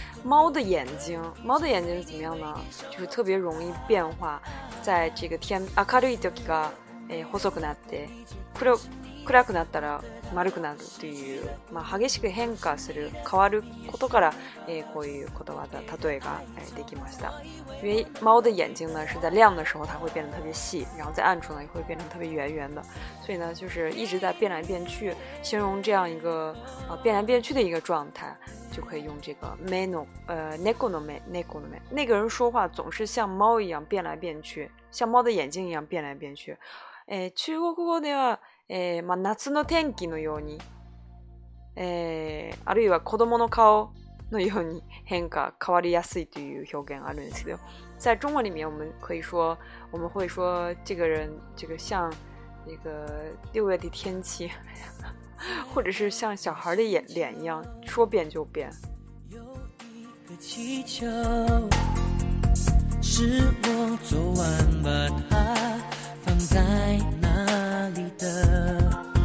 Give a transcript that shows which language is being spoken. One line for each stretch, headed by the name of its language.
Chinese: 猫的眼睛怎么样呢？就是特别容易变化。在这个天
Japanese: 明るい時が、細くなって、暗くなったら丸くなるという、まあ、激しく変化する、変わることから、こういう言葉だ、例えが、できました。
Chinese: 因为猫的眼睛呢是在亮的时候它会变得特别细，然后在暗处呢也会变成特别圆圆的，所以呢就是一直在变来变去，形容这样一个、变来变去的一个状态，就可以用这个 猫の目。那个人说话总是像猫一样变来变去，像猫的眼睛一样变来变去。
Japanese: 中国語では、まあ、夏の天気のように、あるいは子供の顔のように変化変わりやすいという表現あるんですけど、
Chinese: 在中文里面我们会说这个人这个像那个六月的天气，或者是像小孩的脸一样说变就变。有一个气球，是我昨晚把它放在那里的。